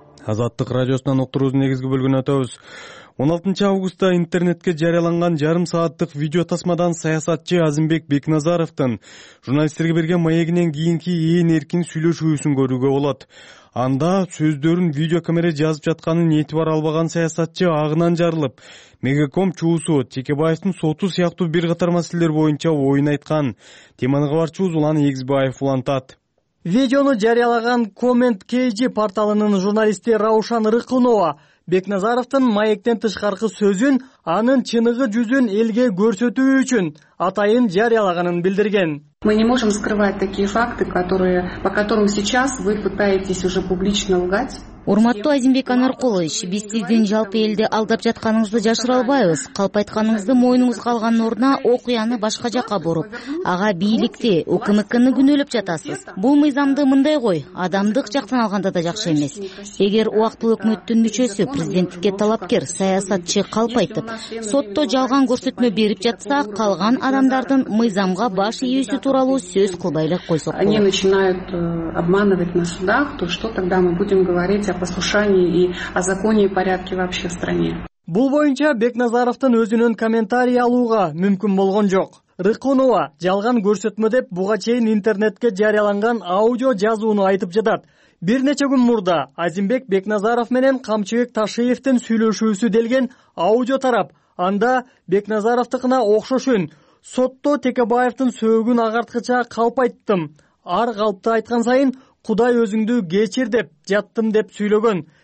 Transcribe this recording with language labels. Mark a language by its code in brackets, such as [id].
[ky] Азаттык радиосунан уктуруубуздун негизги бөлүгүн өтөбүз. 16 августта интернетке жарыяланган жарым сааттык видео тасмадан саясатчы Азымбек Бекназаровдун журналисттерге берген маегинен кийинки ээн эркин сүйлөшүүсүн көрүүгө болот. Анда сөздөрүн видео камера жазып жатканын этибар албаган саясатчы агынан жарылып, Мегаком чуусу Текебаевдин соту сыяктуу бир катар маселелер боюнча оюн айткан. Теманы кабарчубуз Улан Эгизбаев улантат. Видеону жарыялаган Comment.kg порталынын журналисти Раушан Рыкынова Бекназаровдун маектен тышкаркы сөзүн, анын чыныгы жүзүн элге көрсөтүү үчүн атайын жарыялаганын билдирген. [ru] Мы не можем скрывать такие факты, которые, по которым сейчас вы пытаетесь уже публично лгать. [ky] Урматтуу Азимбек Анаркулович, биз сиздин жалпы элди алдап жатканыңызды жашыра албайбыз. Калп айтканыңызды мойнуңузга алганын ордуна окуяны башка жакка буруп, ага бийликти, УКМКны күнөлөп жатасыз. Бул мыйзамды мындай кой, адамдык жактан алганда да жакшы эмес. Эгер убактылуу өкмөттүн мүчөсү, президенттикке талапкер, саясатчы калп айтып, сотто жалган көрсөтмө берип жатса, калган адамдардын мыйзамга баш ийүүсү тууралуу сөз кылбай эле койсок болот. [ru] Они начинают обманывать на судах, то что тогда мы будем говорить о послушании и о законе и порядке вообще в стране. [ky] Бул боюнча Бекназаровдун өзүнүн комментарий алууга мүмкүн болгон жок. Рыкынова жалган көрсөтмө деп буга чейин интернетке жарыяланган аудио жазууну айтып жатат. Бир нече күн мурда Азимбек Бекназаров менен Камчыбек Ташиевдин сүйлөшүүсү делген аудио тарап, анда Бекназаровдукуна окшошун сотто Текебаевдин сөөгүн агарткыча калп айттым, ар калпты айткан сайын Кудай өзүңдү кечир деп жаттым деп сүйлөгөн.